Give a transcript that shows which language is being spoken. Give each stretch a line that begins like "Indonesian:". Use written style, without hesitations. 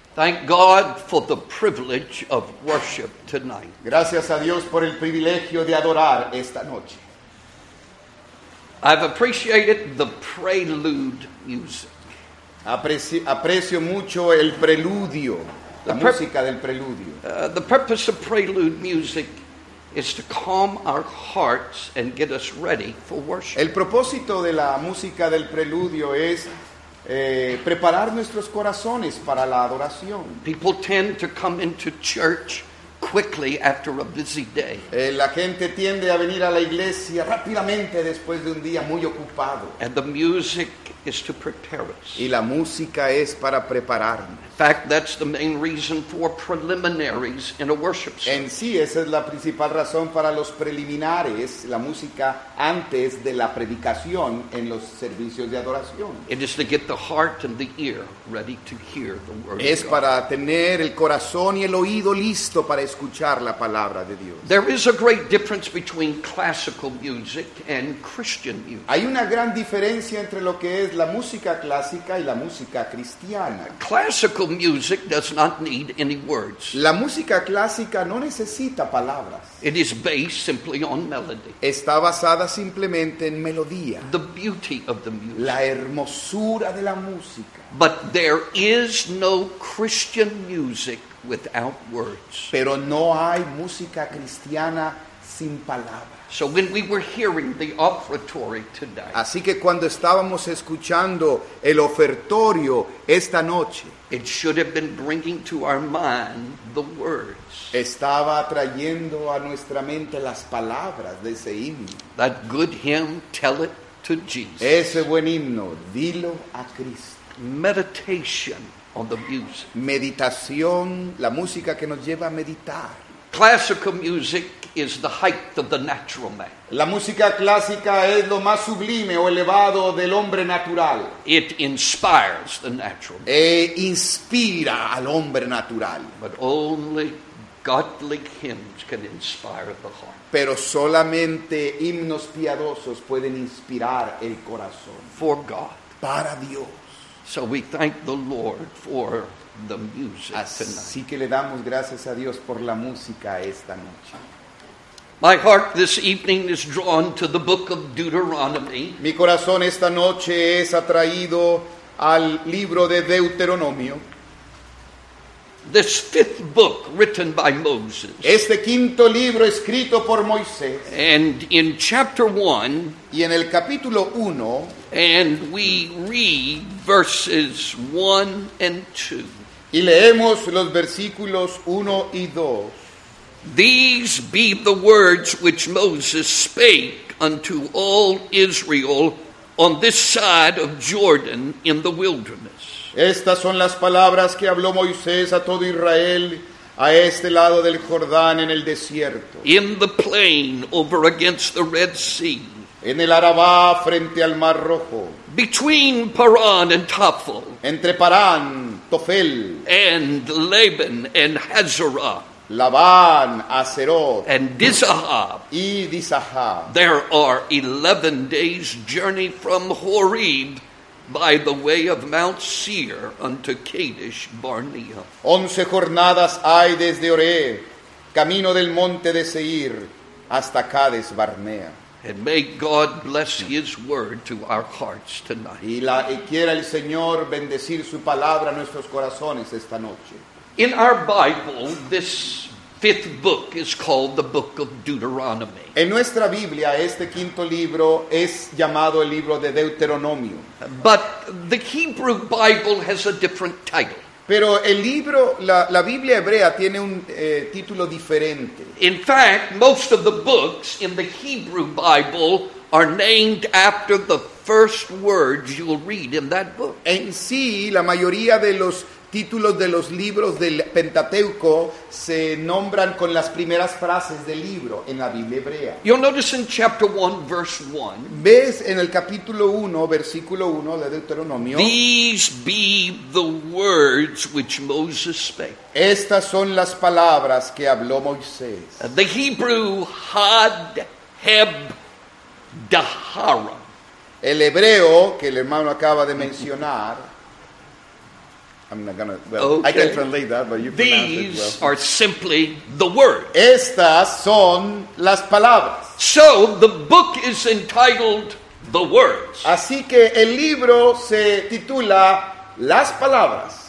English: Thank God for the privilege of worship tonight.
Spanish: Gracias a Dios por el privilegio de adorar esta noche.
English: I've appreciated the prelude music.
Spanish: Aprecio mucho el preludio, la música del preludio.
English: The purpose of prelude music is to calm our hearts and get us ready for worship.
Spanish: El propósito de la música del preludio es preparar nuestros corazones para la adoración.
English: People tend to come into church quickly after a busy day.
Spanish: La gente tiende a venir a la iglesia rápidamente después de un día muy ocupado.
English: And the music is to prepare us.
Spanish: Y la música es para prepararnos.
English: In fact, that's the main reason for preliminaries in a worship service.
Spanish: En sí, esa es la principal razón para los preliminares, la música antes de la predicación en los servicios de adoración.
English: It is to get the heart and the ear ready to hear the word.
Spanish: Es para tener el corazón y el oído listo para escuchar la palabra de Dios.
English: There is a great difference between classical music and Christian music.
Spanish: Hay una gran diferencia entre lo que es la música clásica y la música cristiana.
English: Classical music does not need any words.
Spanish: La música clásica no necesita palabras.
English: It is based simply on melody.
Spanish: Está basada simplemente en melodía.
English: The beauty of the music.
Spanish: La hermosura de la música.
English: But there is no Christian music without words.
Spanish: Pero no hay música cristiana sin palabras.
English: So when we were hearing the offertory today,
Spanish: así que cuando estábamos escuchando el ofertorio esta noche,
English: it should have been bringing to our mind the words.
Spanish: Estaba trayendo a nuestra mente las palabras de ese himno.
English: That good hymn, tell it to Jesus.
Spanish: Ese buen himno, dilo a Cristo.
English: Meditation on the music.
Spanish: Meditación, la música que nos lleva a meditar.
English: Classical music is the height of the natural man.
Spanish: La música clásica es lo más sublime o elevado del hombre natural.
English: It inspires the natural man.
Spanish: Inspira al hombre natural.
English: But only godly hymns can inspire the heart.
Spanish: Pero solamente himnos piadosos pueden inspirar el corazón.
English: For God.
Spanish: Para Dios.
English: So we thank the Lord for the music
Spanish: así
English: tonight.
Spanish: Así que le damos gracias a Dios por la música esta noche.
English: My heart this evening is drawn to the book of Deuteronomy.
Spanish: Mi corazón esta noche es atraído al libro de Deuteronomio.
English: This fifth book written by Moses.
Spanish: Este quinto libro escrito por Moisés.
English: And in chapter 1,
Spanish: y en el capítulo 1,
English: and we read verses 1 and 2.
Spanish: Y leemos los versículos 1 y 2.
English: These be the words which Moses spake unto all Israel on this side of Jordan in the wilderness.
Spanish: Estas son las palabras que habló Moisés a todo Israel a este lado del Jordán en el desierto.
English: In the plain over against the Red Sea.
Spanish: En el Arabá frente al Mar Rojo.
English: Between Paran and Tophel.
Spanish: Entre Paran, Tophel.
English: And Laban and Hazorah.
Spanish: Laban, Azeroth,
English: and Dizahab.
Spanish: Y Dizahab.
English: There are 11 days' journey from Horeb by the way of Mount Seir unto Kadesh Barnea.
Spanish: 11 jornadas hay desde Horeb, camino del monte de Seir, hasta Kadesh Barnea.
English: And may God bless His word to our hearts tonight.
Spanish: Y quiera el Señor bendecir su palabra a nuestros corazones esta noche.
English: In our Bible, this fifth book is called the Book of Deuteronomy.
Spanish: En nuestra Biblia, este quinto libro es llamado el libro de Deuteronomio.
English: But the Hebrew Bible has a different title.
Spanish: Pero el libro, la Biblia hebrea tiene un título diferente.
English: In fact, most of the books in the Hebrew Bible are named after the first words you will read in that book.
Spanish: En sí, la mayoría de los títulos de los libros del Pentateuco se nombran con las primeras frases del libro en la Biblia hebrea.
English: You'll notice in chapter 1, verse 1.
Spanish: Ves en el capítulo 1, versículo 1 de Deuteronomio.
English: These be the words which Moses spake.
Spanish: Estas son las palabras que habló Moisés.
English: The Hebrew had heb dahara.
Spanish: El hebreo que el hermano acaba de mencionar.
English: I'm not gonna. Well, okay. I can translate that, but you these pronounce it well. These are simply the words.
Spanish: Estas son las palabras.
English: So the book is entitled "The Words."
Spanish: Así que el libro se titula Las Palabras.